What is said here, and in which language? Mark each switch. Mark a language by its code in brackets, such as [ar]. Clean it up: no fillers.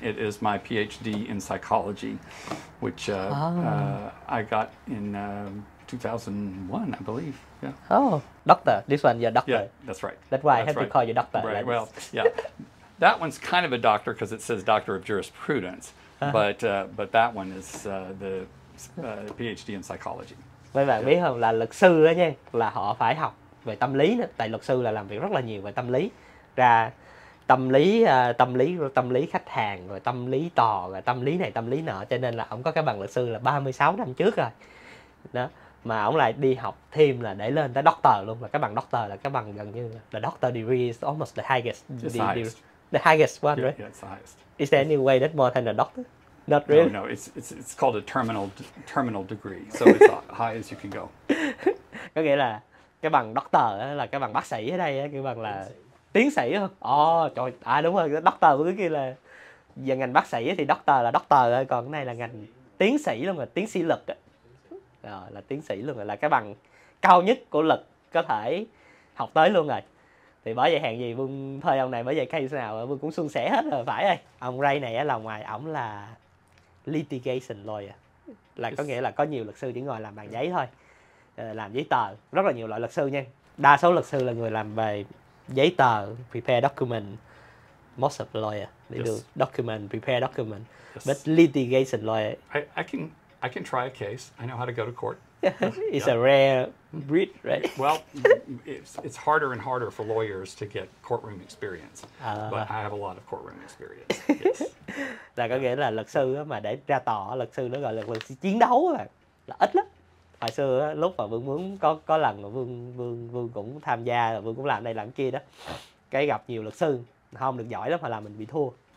[en] It is my PhD in psychology, which I got in 2001, I believe. Yeah. Oh, doctor. This one, you're doctor. Yeah, that's right. That's why that's I have right. to call you doctor. Right, well, yeah. That one's kind of a doctor because it says doctor of jurisprudence. Uh-huh. But that one is the PhD in psychology. [vi] Mấy bạn biết không, là luật sư đó nha, là họ phải học về tâm lý nữa. Tại luật sư là làm việc rất là nhiều về tâm lý. Ra tâm lý khách hàng, rồi tâm lý tò, rồi tâm lý này tâm lý nọ, cho nên là ông có cái bằng luật sư là 36 năm trước rồi đó, mà ông lại đi học thêm là để lên tới doctor luôn. Là cái bằng doctor là cái bằng gần như là [en] doctor degree is almost the highest, the highest one, right? Yeah, it's the highest. Is there any way that more than a doctor? Not really. No, it's called a terminal degree, so it's high as you can go. [vi] Có nghĩa là cái bằng doctor là cái bằng bác sĩ ở đây, cái bằng là tiến sĩ không? Trời, đúng rồi, doctor của cái kia là về ngành bác sĩ thì doctor là doctor thôi, còn cái này là ngành tiến sĩ luôn, rồi tiến sĩ luật á. Rồi là tiến sĩ luôn, rồi là cái bằng cao nhất của luật có thể học tới luôn rồi. Thì bởi vậy hàng gì Vương thôi ông này, bởi vậy case nào Vương cũng suôn sẻ hết rồi, phải ơi. Ông Ray này là ngoài ổng là litigation lawyer. Là có nghĩa là có nhiều luật sư chỉ ngồi làm bàn giấy thôi. Làm giấy tờ, rất là nhiều loại luật sư nha. Đa số luật sư là người làm về giấy tờ, [en] prepare document, most of the lawyer, they yes. do document, prepare document, yes. but litigation lawyer. I can try a case. I know how to go to court. It's yeah. a rare breed, right? Well, it's harder and harder for lawyers to get courtroom experience, but I have a lot of courtroom experience. Yes. [vi] Là có nghĩa là luật sư mà để ra tòa, luật sư nó gọi là luật sư chiến đấu là ít lắm. Hồi xưa lúc mà Vương muốn có lần mà Vương cũng tham gia, Vương cũng làm đây làm kia đó, cái gặp nhiều luật sư không được giỏi lắm mà là mình bị thua.